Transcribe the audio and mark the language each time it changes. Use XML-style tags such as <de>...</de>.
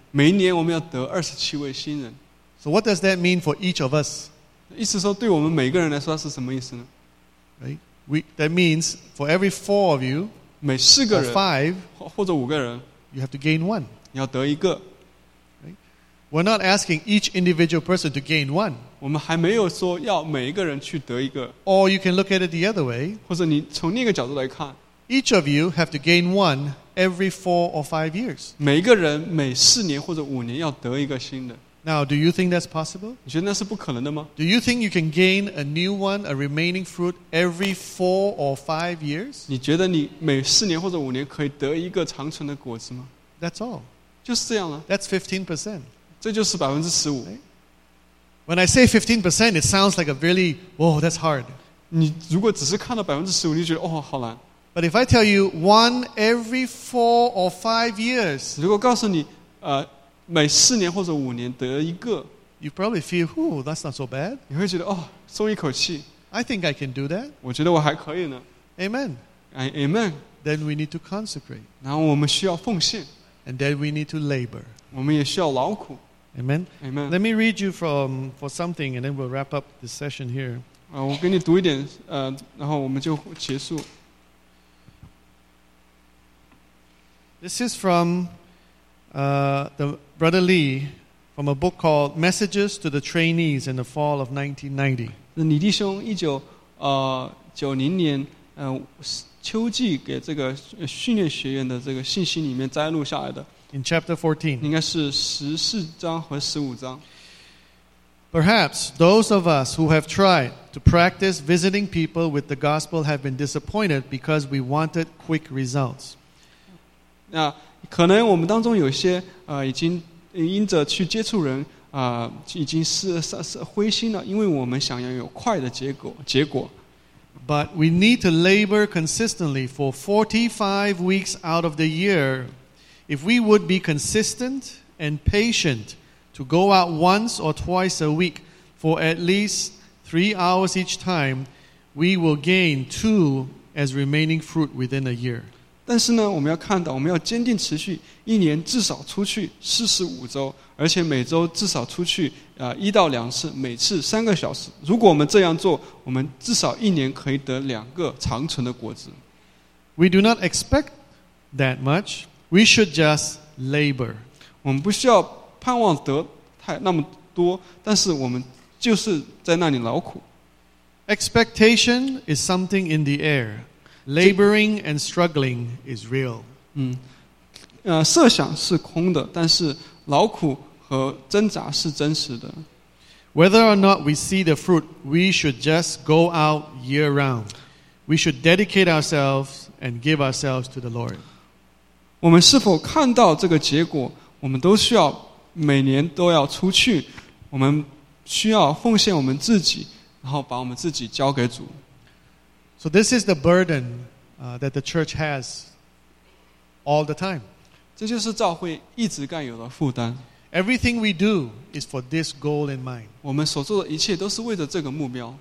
<zh>每一年我们要得27位新人。</zh> <en>So what does that mean for each of us?</en> <zh>意思说对我们每个人来说是什么意思呢?</zh> <en>Right? That means for every four of you,</en> <zh>每四个人</zh> <en>or five,</en> <zh>或者五个人,</zh> <en>you have to gain one.</en> <zh>你要得一个。</zh> <en>We're not asking each individual person to gain one.</en> <zh>我们还没有说要每一个人去得一个。</zh> <en>Or you can look at it the other way.</en> <zh>或者你从另一个角度来看。</zh> <en>Each of you have to gain one every 4 or 5 years.</en> <zh>每一个人每四年或者五年要得一个新的。</zh> <en>Now, do you think that's possible?</en> <zh>你觉得那是不可能的吗?</zh> <en>Do you think you can gain a new one, a remaining fruit, every 4 or 5 years?</en> <zh>你觉得你每四年或者五年可以得一个长存的果子吗?</zh> <en>That's all.</en> <zh>就是这样了。</zh> <en>That's 15%.</en> <zh>这就是15%。</zh> <en>When I say 15%, it sounds like a really, whoa, that's hard.</en> <zh>你如果只是看到15%，你就觉得哦，好难。</zh> <en>But if I tell you one every 4 or 5 years,</en> <zh>如果告诉你每四年或者五年得一个</zh> <en>，you probably feel, whoa, that's not so bad.</en> <zh>你会觉得哦，松一口气。</zh> <en>I think I can do that.</en> <zh>我觉得我还可以呢。</zh> <en>Amen. Amen. Then we need to consecrate.</en> <zh>然后我们需要奉献。</zh> <en>And then we need to labor.</en> <zh>我们也需要劳苦。</zh> <en>Amen. Amen. Let me read you for something, and then we'll wrap up this session here.</en> <zh>我给你读一点，然后我们就结束。</zh> <en>This is from the Brother Lee from a book called "Messages to the Trainees in the Fall of 1990."</en> <zh>是李弟兄1990年秋季给这个训练学院的这个信息里面摘录下来的。</zh> <en>In chapter 14,</en> <zh>应该是14章和15章。</zh> <en>Perhaps those of us who have tried to practice visiting people with the gospel have been disappointed because we wanted quick results.</en> <zh>那可能我们当中有些已经因着去接触人已经是灰心了，因为我们想要有快的结果。</zh> <en>But we need to labor consistently for 45 weeks out of the year. If we would be consistent and patient to go out once or twice a week for at least 3 hours each time, we will gain 2 as remaining fruit within a year.</en> <zh>但是呢，我们要看到，我们要坚定持续，一年至少出去45周，而且每周至少出去1到2次，每次3个小时。如果我们这样做，我们至少一年可以得2个长存的果子。</zh> <en>We do not expect that much. We should just labor.</en> <zh>我们不需要盼望得太那么多，但是我们就是在那里劳苦。</zh> <en>Expectation is something in the air. Laboring and struggling is real.</en> <zh>设想是空的，但是劳苦和挣扎是真实的。</zh> <en>Whether or not we see the fruit, we should just go out year round. We should dedicate ourselves and give ourselves to the Lord.</en> <zh>我们是否看到这个结果，我们都需要每年都要出去，我们需要奉献我们自己，然后把我们自己交给主。</zh> <en>So this is the burden, that the church has all the time.</en> <zh>这就是教会一直该有的负担。</zh> <en>Everything we do is for this goal in mind.</en> <zh>我们所做的一切都是为着这个目标。</zh>